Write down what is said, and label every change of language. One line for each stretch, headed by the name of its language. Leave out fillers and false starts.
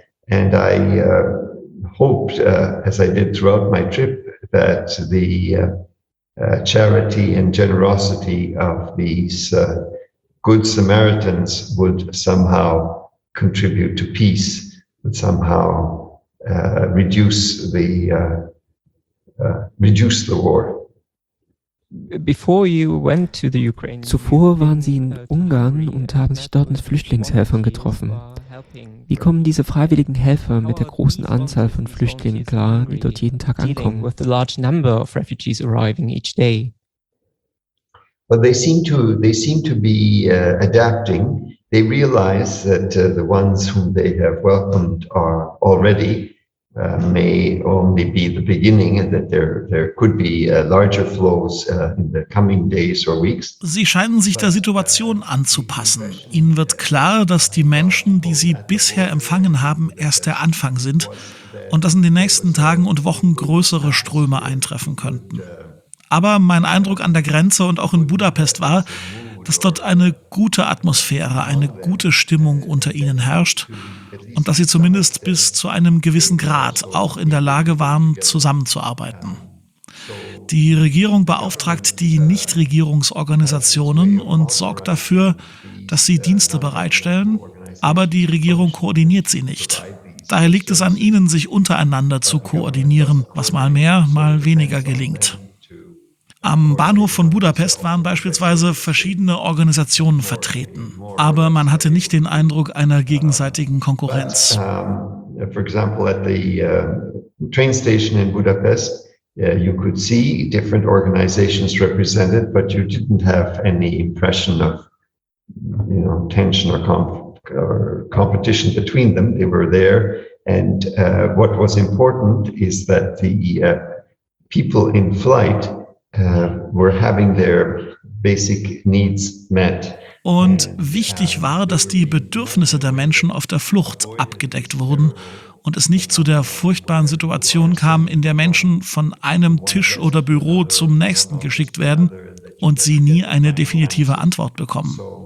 English: And I hoped, as I did throughout my trip, that the charity and generosity of these good Samaritans would somehow contribute to peace, would somehow reduce the war. Before you went to the Ukraine,
German: zuvor waren Sie in Ungarn und haben sich dort mit Flüchtlingshelfern getroffen. Wie kommen diese freiwilligen Helfer mit der großen Anzahl von Flüchtlingen klar, die dort jeden Tag ankommen?
English: With the large number of refugees arriving each day. Well, they seem to be adapting. They realize that the ones whom they have welcomed are already may only be the beginning, and that there could be larger flows in the coming days or weeks.
German: Sie scheinen sich der Situation anzupassen. Ihnen wird klar, dass die Menschen, die Sie bisher empfangen haben, erst der Anfang sind und dass in den nächsten Tagen und Wochen größere Ströme eintreffen könnten. Aber mein Eindruck an der Grenze und auch in Budapest war, dass dort eine gute Atmosphäre, eine gute Stimmung unter ihnen herrscht und dass sie zumindest bis zu einem gewissen Grad auch in der Lage waren, zusammenzuarbeiten. Die Regierung beauftragt die Nichtregierungsorganisationen und sorgt dafür, dass sie Dienste bereitstellen, aber die Regierung koordiniert sie nicht. Daher liegt es an ihnen, sich untereinander zu koordinieren, was mal mehr, mal weniger gelingt. Am Bahnhof von Budapest waren beispielsweise verschiedene Organisationen vertreten, aber man hatte nicht den Eindruck einer gegenseitigen Konkurrenz.
English: For example, at the train station in Budapest, you could see different organizations represented, but you didn't have any impression of, you know, tension or competition between them. They were there, and what was important is that the people in flight were having their basic needs met.
German: Und wichtig war, dass die Bedürfnisse der Menschen auf der Flucht abgedeckt wurden und es nicht zu der furchtbaren Situation kam, in der Menschen von einem Tisch oder Büro zum nächsten geschickt werden und sie nie eine definitive Antwort bekommen.